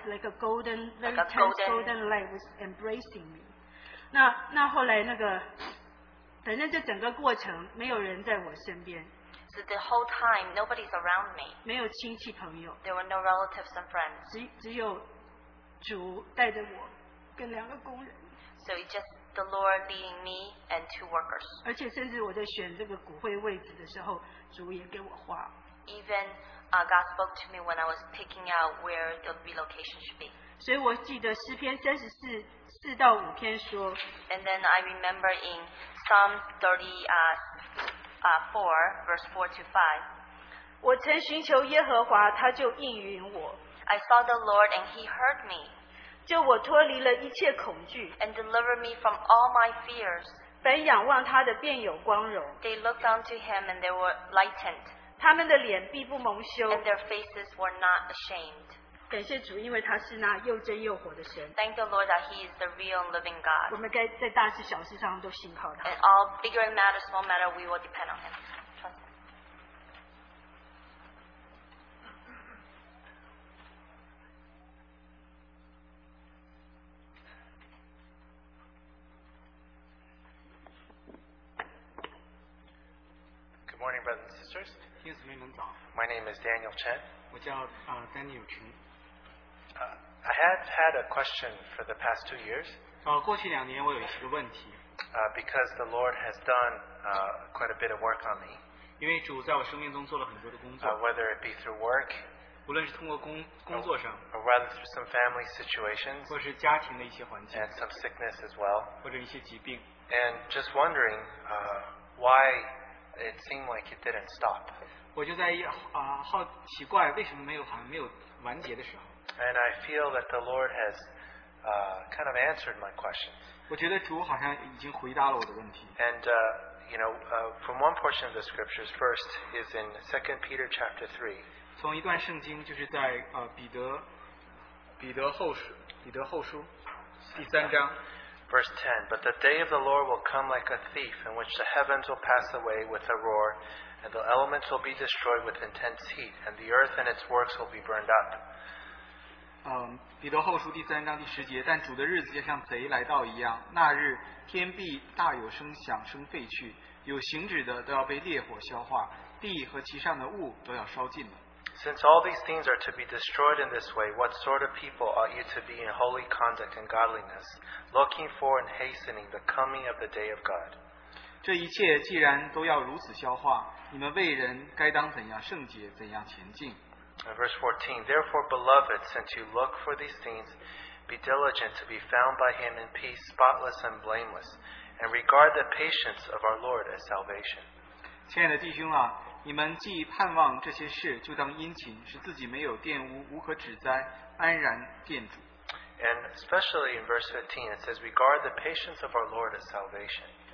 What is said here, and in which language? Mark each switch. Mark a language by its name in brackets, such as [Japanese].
[English] Like a golden, golden light was embracing me. [Chinese] 那后来那个，反正这整个过程没有人在我身边。 [English] So the whole time, nobody's around me. [Chinese] 没有亲戚朋友。 [English] There were no relatives and friends. [Chinese] 只有主带着我跟两个工人。 [English] So it just the Lord leading me and two workers. [Chinese] 而且甚至我在选这个骨灰位置的时候，主也给我画。 [English] Even God spoke to me when I was picking out where the relocation should be. [Chinese] 所以我记得诗篇34:4-5篇说。 [English] And then I remember in Psalm 34:4-5. [Chinese] 我曾寻求耶和华，他就应允我。 [English] I saw the Lord and he heard me. [Chinese] 就我脱离了一切恐惧, [English] and deliver me from all my fears. [Chinese] 本仰望他的便有光荣, [English] they looked unto him and they were lightened. [Chinese] 他们的脸必不蒙羞, [English] and their faces were not ashamed. [Chinese] 感谢主，因为他是那又真又活的神。 [English] Thank the Lord that he is the real and living God. [Chinese] 我们该在大事小事上都信靠他。 [English] And all bigger matters, small matter, we will depend on him. Good morning, brothers and sisters. My name is Daniel Chen. [Chinese] 我叫, Daniel Chen. [English] I have had a question for the past 2 years. [Chinese] 过去两年我有一个问题。 [English] Because the Lord has done quite a bit of work on me. [Chinese] 因为主在我生命中做了很多的工作。 [English] Whether it be through work, [Chinese] 无论是通过工作上, [English] or rather through some family situations, [Chinese] 或是家庭的一些环境, [English] and some sickness as well, [Chinese] 或者一些疾病, [English] and just wondering why it seemed like it didn't stop. [Chinese] 我就在, 好奇怪为什么没有完结的时候。 [English] And I feel that the Lord has kind of answered my questions. [Chinese] 我觉得主好像已经回答了我的问题。 [English] And, from one portion of the scriptures, first is in 2 Peter chapter 3. [Chinese] 从一段圣经，就是在彼得后书第三章 [English] verse 10, but the day of the Lord will come like a thief, in which the heavens will pass away with a roar, and the elements will be destroyed with intense heat, and the earth and its works will be burned up. [Chinese] 彼得后书第三章第十节，但主的日子就像贼来到一样，那日天必大有声响声废去，有行止的都要被烈火消化，地和其上的物都要烧尽了。 [English] Since all these things are to be destroyed in this way, what sort of people ought you to be in holy conduct and godliness, looking for and hastening the coming of the day of God? [Chinese] 这一切既然都要如此消化，你们为人该当怎样圣洁，怎样前进。 [English] Verse 14, therefore, beloved, since you look for these things, be diligent to be found by him in peace, spotless and blameless, and regard the patience of our Lord as salvation. [Chinese] 亲爱的弟兄啊，你们既盼望这些事，就当殷勤，使自己没有玷污，无可指摘，安然殿主。 [English] And especially in verse 15, it says, regard the patience of our Lord as salvation.